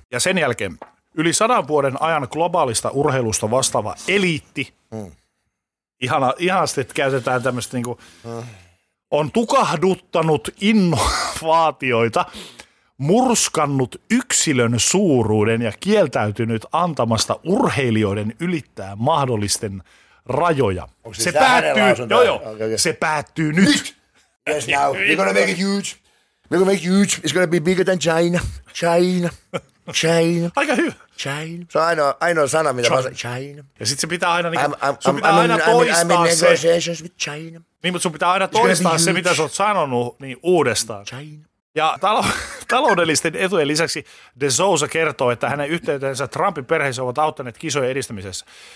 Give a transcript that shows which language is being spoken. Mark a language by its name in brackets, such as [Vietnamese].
[Finnish] Ja sen jälkeen yli 100 vuoden ajan globaalista urheilusta vastaava eliitti, ihanasti, että käytetään tämmöistä, niin kuin, on tukahduttanut innovaatioita, murskannut yksilön suuruuden ja kieltäytynyt antamasta urheilijoiden ylittää mahdollisten rajoja. Se päättyy, se päättyy nyt. [English] Yes, now we're gonna make it huge. We're gonna make it huge. It's gonna be bigger than China. China. China. [Finnish] Aika hyvä. [English] China. [Finnish] Se on ainoa sana, mitä mä sanon. [English] China. [Finnish] Ja sit se pitää aina, [English] I'm in negotiations with China. [Finnish] Niin, mutta sun pitää aina toistaa se, mitä sä oot sanonut, niin uudestaan. China. Ja taloudellisten etujen lisäksi De Souza kertoo, että hänen yhteytensä Trumpin perheessä ovat auttaneet kisojen edistämisessä.